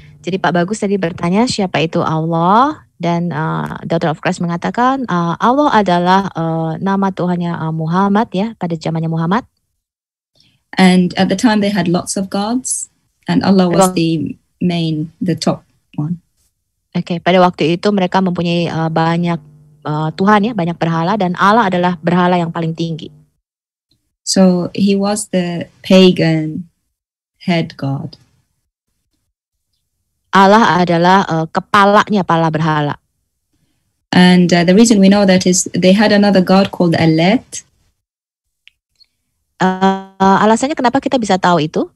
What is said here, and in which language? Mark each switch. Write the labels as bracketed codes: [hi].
[id] Jadi Pak Bagus tadi bertanya siapa itu Allah, dan Daughter of Christ mengatakan Allah adalah nama Tuhannya Muhammad, ya, pada zamannya Muhammad. [en] And at the time they had lots of gods, and Allah was the main, the top one. [id] Okay, pada waktu itu mereka mempunyai banyak Tuhan, ya, banyak berhala, dan Allah adalah berhala yang paling tinggi. [en] So he was the pagan head god. [id] Allah adalah kepalanya, kepala berhala. [en] And the reason we know that is they had another god called Alet. [id] Alasannya kenapa kita bisa tahu itu?